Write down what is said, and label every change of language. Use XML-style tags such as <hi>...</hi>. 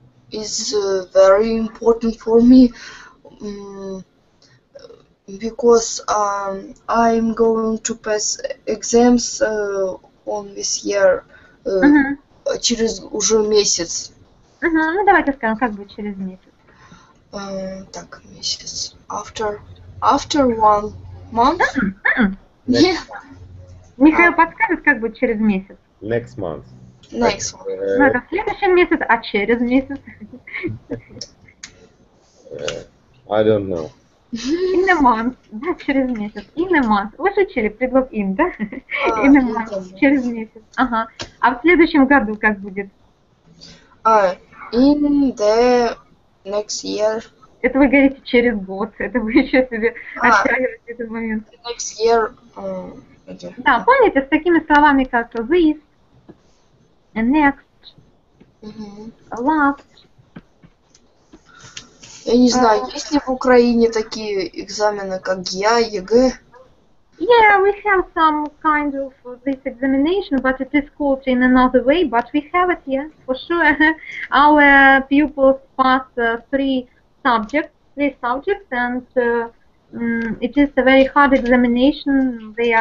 <en>is very important for me because I'm going to pass exams on this year.</en> <ru>Через уже месяц. Ну давайте скажем, как бы через месяц. Так, месяц.</ru> <en>After one month.</en> <ru>Михаил подскажет, как будет через месяц?</ru> <en>Next month. Next month.</en> <ru>Ну, это в следующем месяце, а через месяц?</ru> <en>I don't know. In a month.</en> <ru>Да, через месяц.</ru> <en>In a month.</en> <ru>Вы же учили предлог in, да?</ru> <en>In a month.</en> <ru>Через месяц. Ага. А в следующем году как будет?</ru> <en>In the next year.</en> <ru>Это вы говорите через год. Это вы еще себе оттягиваете этот момент.</ru> <en>Next year...</en> <ru>Да, помните, с такими словами, как this, next, last. Я не знаю, есть ли в Украине такие экзамены, как ГИА, ЕГЭ?</ru> <en>Yeah, we have some kind of this examination, but it is called in another way, but we have it, yeah, for sure. Our pupils pass three subjects, and it is a very hard examination.</en>